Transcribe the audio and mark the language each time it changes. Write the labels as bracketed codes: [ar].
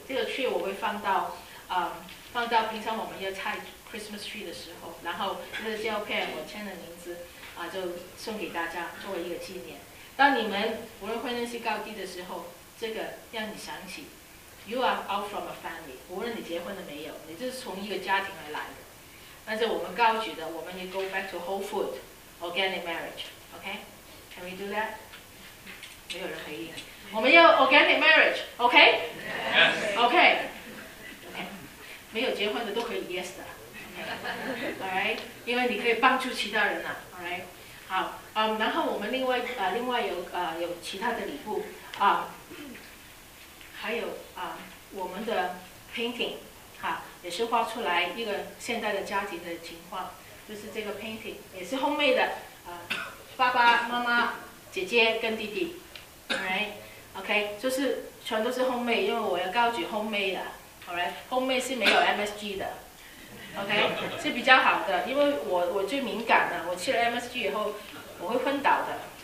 [zh] 这个 tree 我会放到放到平常我们要拆 Christmas tree 的时候，然后这个胶片我签了名字啊，就送给大家作为一个纪念。当你们无论婚姻是高低的时候，这个让你想起 ， [en] You are out from a family， [zh] 无论你结婚了没有，你就是从一个家庭而来的。但是我们高举的，我们也 [en] go back to whole food， organic marriage， OK？ Can we do that？ [zh] 没有人回应。我们要 [en] organic marriage， OK？ Yes. [zh] OK， OK， 没有结婚的都可以 yes 的， OK？ All right， 因为你可以帮助其他人呐， All right， 好，然后我们另外有其他的礼物啊。还有我们的 painting， 哈，也是画出来一个现代的家庭的情况，就是这个 painting 也是 homemade 的，爸爸妈妈、姐姐跟弟弟 ，right， OK， 就是全都是 homemade， 因为我要高举 homemade 的 ，all right， homemade 是没有 MSG 的 ，OK， 是比较好的，因为我最敏感的，我吃了 MSG 以后我会昏倒的。